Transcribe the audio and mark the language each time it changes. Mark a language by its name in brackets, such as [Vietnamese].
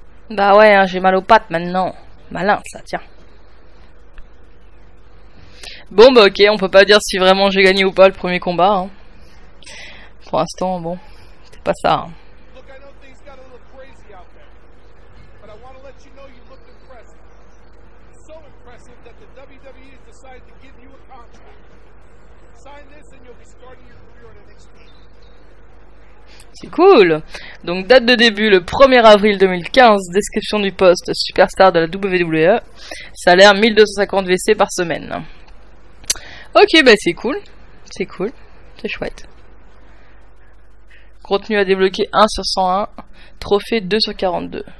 [French] Bah ouais, hein, j'ai mal aux pattes maintenant. Malin, ça, tiens. Bon, bah ok, on peut pas dire si vraiment j'ai gagné ou pas le premier combat. Hein. Pour l'instant, bon, c'est pas ça. Hein. [English] things got a little crazy out there. But I want to let you know you looked impressive. So impressive that the WWE has decided to give you a contract. Sign this and you'll be starting your career at NXT. [French] C'est cool. Donc date de début le 1er avril 2015, description du poste superstar de la WWE, salaire 1250 VC par semaine. Ok, bah c'est cool, c'est cool, c'est chouette. Contenu à débloquer 1 sur 101, trophée 2 sur 42.